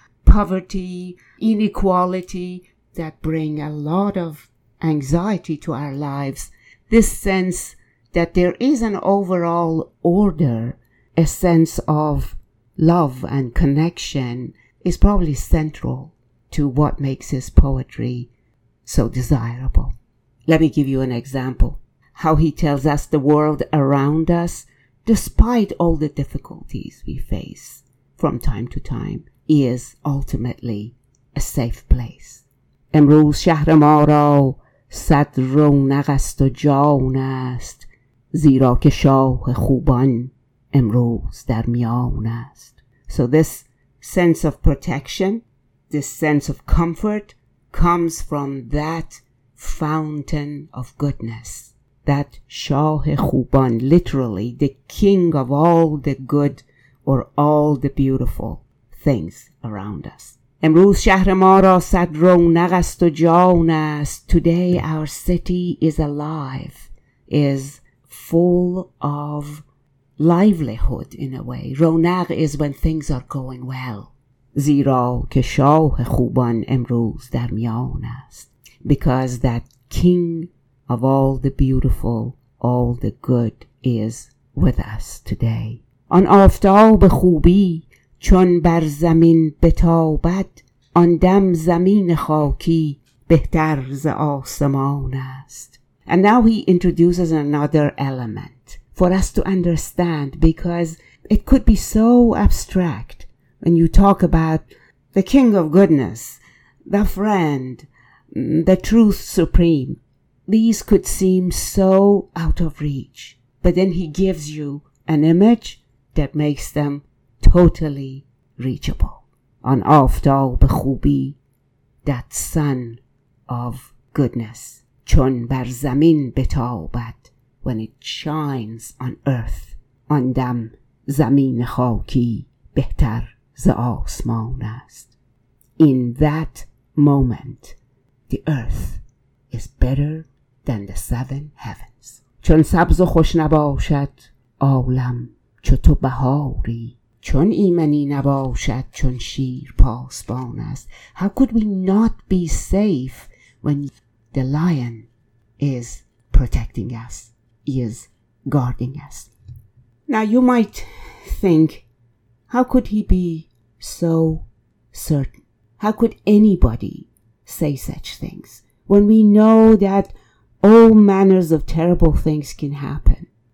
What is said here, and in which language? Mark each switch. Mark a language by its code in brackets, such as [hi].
[en] poverty, inequality that bring a lot of anxiety to our lives, this sense that there is an overall order, a sense of love and connection, is probably central to what makes his poetry so desirable. Let me give you an example. How he tells us the world around us, despite all the difficulties we face from time to time, is ultimately a safe place. [fa] امروز شهر ما را صد رونق است و جان است، زیرا که شاه خوبان امروز در میان است. [en] So this sense of protection, this sense of comfort, comes from that fountain of goodness, that Shah Khuban, literally the king of all the good or all the beautiful things around us. [fa] امروز شهر ما را صد رونق است و جان است. [en] Today our city is alive, is full of livelihood in a way. رونق is when things are going well. [fa] زیرا که شاه خوبان امروز در میان است. [en] Because that king of all the beautiful, all the good is with us today. [fa] آن آفتاب خوبی چون بر زمین بتابد، آن دم زمین خاکی بهتر ز آسمان است. [en] And now he introduces another element for us to understand, because it could be so abstract when you talk about the king of goodness, the friend, the truth supreme. These could seem so out of reach, but then he gives you an image that makes them totally reachable. [fa] An آفتاب خوبی, [en] that sun of goodness, [fa] چون بر زمین بتابد, [en] when it shines on earth, [fa] آن دم زمین خاکی بهتر ز آسمان است. [en] In that moment, the earth is better than the seven heavens. [fa] چون سبز و خوش نباشد عالم چو تو بهاری، چون ایمنی نباشد چون شیر پاسبان است. [en] How could we not be safe when the lion is protecting us, is guarding us? Now you might think, how could he be so certain? How could anybody say such things when we know that all manners of terrible things can happen?